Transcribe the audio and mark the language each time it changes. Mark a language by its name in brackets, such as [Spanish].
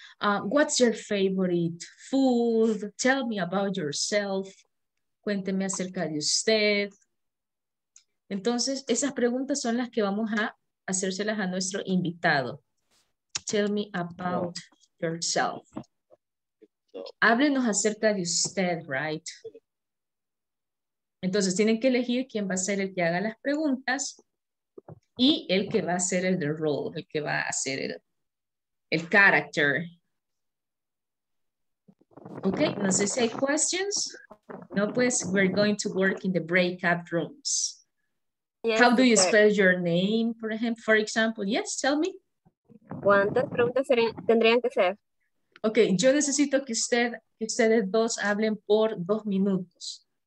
[English] What's your favorite food? Tell me about yourself. [Spanish] cuénteme acerca de usted. Entonces, esas preguntas son las que vamos a hacérselas a nuestro invitado. [English] Tell me about yourself. [Spanish] Háblenos acerca de usted, [English] right? [Spanish] Entonces, tienen que elegir quién va a ser el que haga las preguntas y el que va a ser el role, el que va a ser el character. Ok, no sé si hay questions. No, pues, [English] we're going to work in the breakout rooms. Yes, how do you spell your name, for example? Yes, tell me. [Spanish] ¿Cuántas preguntas tendrían que ser? Ok, yo necesito que usted, que ustedes dos hablen por 2 minutos.